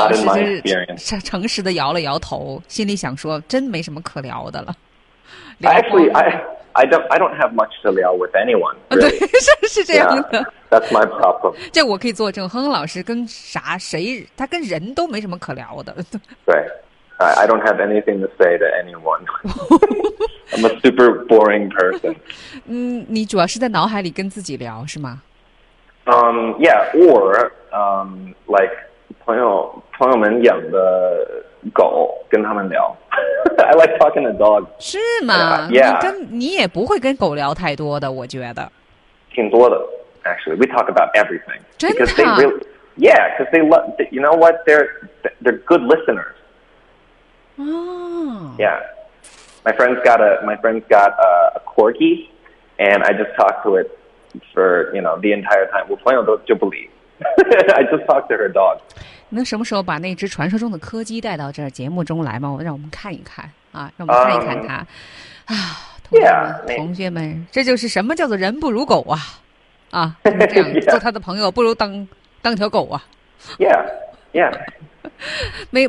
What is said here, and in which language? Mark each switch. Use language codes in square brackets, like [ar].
[zh] 恒恒老师就是诚实的摇了摇头，心里想说，真没什么可聊的了。 [en] Actually, I don't have much to聊with anyone. Really. [zh] 对，是这样的。 [en] Yeah, that's my problem. [zh] 这我可以作证，恒恒老师跟啥谁，他跟人都没什么可聊的。 [en] 对 ，I don't have anything to say to anyone. I'm a super boring person. [zh] 你主要是在脑海里跟自己聊是吗？ [en] Yeah, or. Like [zh] 朋友们养的狗跟他们聊 [en] I like talking to dogs [zh] 是吗、 yeah. 你也不会跟狗聊太多的我觉得挺多的 [en] actually we talk about everything [zh] 真的 [en] because they really, yeah because they love you know what they're good listeners 哦、 yeah my friend's got a corgi and I just talked to it for you know the entire time [zh] 我朋友都就不理 [en] I just talked to her dog. [zh] 能什么时候把那只传说中的柯基带到这儿节目中来吗？让我们看一看啊，让我们看一看它。啊，同学们，这就是什么叫做人不如狗啊！啊，这样、 yeah. 做他的朋友不如当条狗啊。 Yeah, yeah.